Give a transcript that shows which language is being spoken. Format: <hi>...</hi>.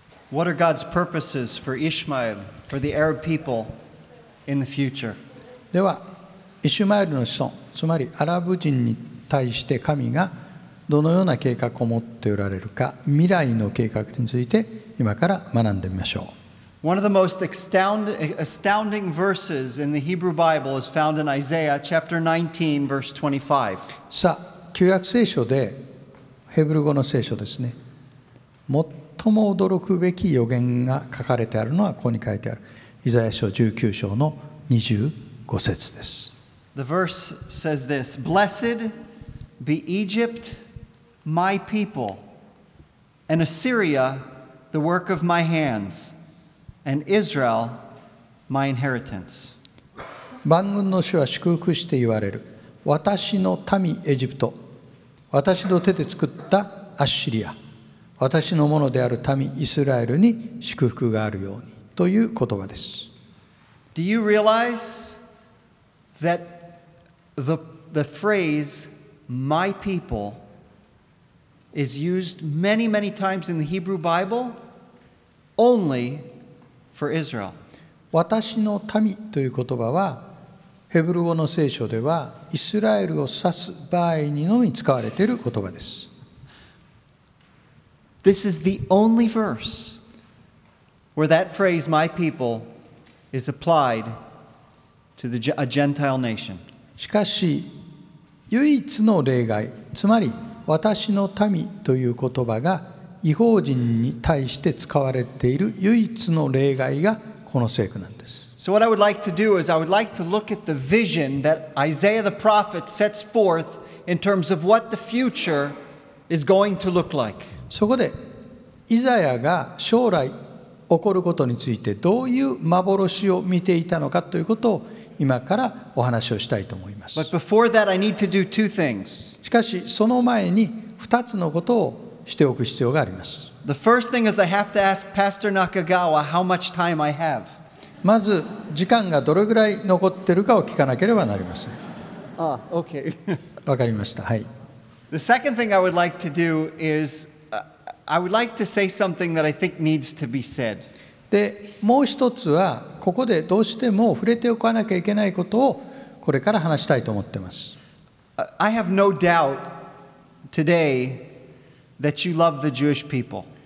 <en>What are God's purposes for Ishmael, for the Arab people in the future?</en> <ja>では、イシュマエルの子孫、つまりアラブ人に対して神がどのような計画を持っておられるか、未来の計画について今から学んでみましょう。</ja> <en>One of the most astounding verses in the Hebrew Bible is found in Isaiah chapter 19, verse 25.</en> <ja>さあ、旧約聖書で、ヘブル語の聖書ですね。最も驚くべき予言が書かれてあるのは、ここに書いてある。イザヤ書19章の25節です。</ja> <en>The verse says this, Blessed be Egypt, my people, and Assyria, the work of my hands. And Israel, my inheritance.</en> <ja>万軍の主は祝福して言われる。私の民エジプト、私の手で作ったアッシリア、私のものである民イスラエルに祝福があるようにという言葉です。</ja> <en>Do you realize that the phrase my people is used many many times in the Hebrew Bible onlyFor Israel.</en> <ja>私の民という言葉はヘブル語の聖書ではイスラエルを指す場合にのみ使われている言葉です。</ja> <en>This is the only verse where that phrase my people is applied to a Gentile nation.</en> <ja>しかし唯一の例外、つまり私の民という言葉が異邦人に対して使われている唯一の例外がこの聖句なんです。</ja> <en>So what I would like to do is I would like to look at the vision that Isaiah the prophet sets forth in terms of what the future is going to look like.</en> <ja>そこでイザヤが将来起こることについてどういう幻を見ていたのかということを今からお話をしたいと思います。</ja> <en>But before that, I need to do two things.</en> <ja>しかしその前に二つのことをしておく必要があります。</ja> <en>The first thing is I have to ask Pastor Nakagawa how much time I have.</en> <ja>まず時間がどれぐらい残ってるかを聞かなければなりません。</ja> <en>okay.</en> <ja>わかりました。はい。</ja> <en>The second thing I would like to do is, I would like to say something that I think needs to be said.</en> <ja>で、もう一つはここでどうしても触れておかなきゃいけないことをこれから話したいと思ってます。</ja> <en>I have no doubt today that you love the Jewish people.</en>